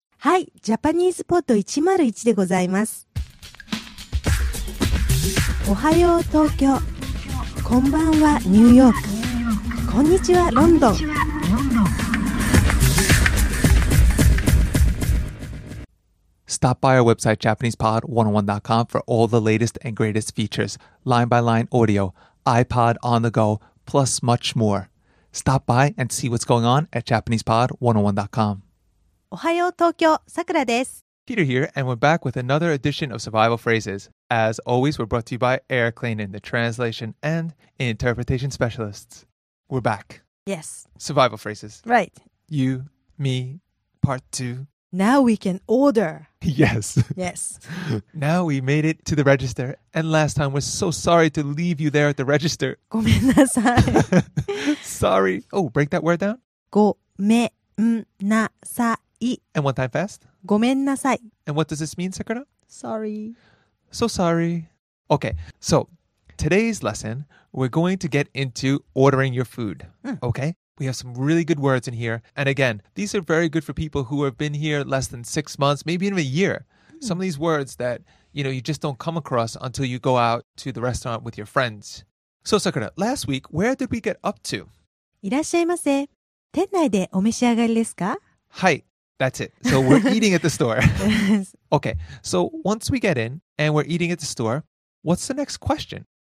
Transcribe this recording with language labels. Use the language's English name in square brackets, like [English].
[Japanese] はい、ジャパニーズポッド101でございます。おはよう東京、こんばんはニューヨーク、こんにちはロンドン。 [English] Stop by our website JapanesePod101.com for all the latest and greatest features, line-by-line audio, iPod on the go, plus much more. Stop by and see what's going on at JapanesePod101.com. [Japanese] おはよう東京、さくらです。 [English] Peter here, and we're back with another edition of Survival Phrases. As always, we're brought to you by Air Cleaning, the translation and interpretation specialists. We're back. Yes. Survival Phrases. Right. You, me, part two. Now we can order. Yes. Yes. Now we made it to the register. And last time, we're so sorry to leave you there at the register. [Japanese] ごめんなさい。 [English] Sorry. Oh, break that word down. [Japanese] ごめんなさい。 [English] And one time fast. [Japanese] ごめんなさい。 [English] And what does this mean, Sakura? Sorry. So sorry. Okay. So today's lesson, we're going to get into ordering your food. Okay? We have some really good words in here. And again, these are very good for people who have been here less than 6 months, maybe even a year. Some of these words that, you know, you just don't come across until you go out to the restaurant with your friends. So, Sakura, last week, where did we get up to? [Japanese] いらっしゃいませ。店内でお召し上がりですか? はい、 [English] that's it. So we're eating at the store. Okay, so once we get in and we're eating at the store, what's the next question?